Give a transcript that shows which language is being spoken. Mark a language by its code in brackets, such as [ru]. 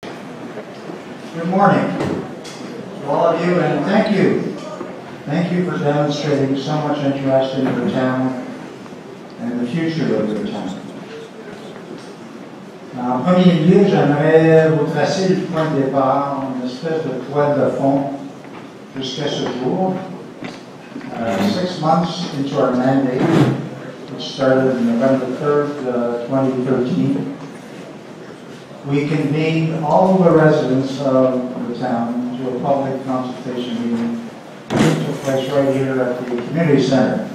[en] Good morning to all of you, and thank you. Thank you for demonstrating so much interest in your town and the future of your town. [fr] En premier lieu, j'aimerais vous tracer le point de départ, une espèce de toile de fond jusqu'à ce jour. [en] 6 months into our mandate, which started November 3rd, 2013, we convened all the residents of the town to a public consultation meeting that took place right here at the community center.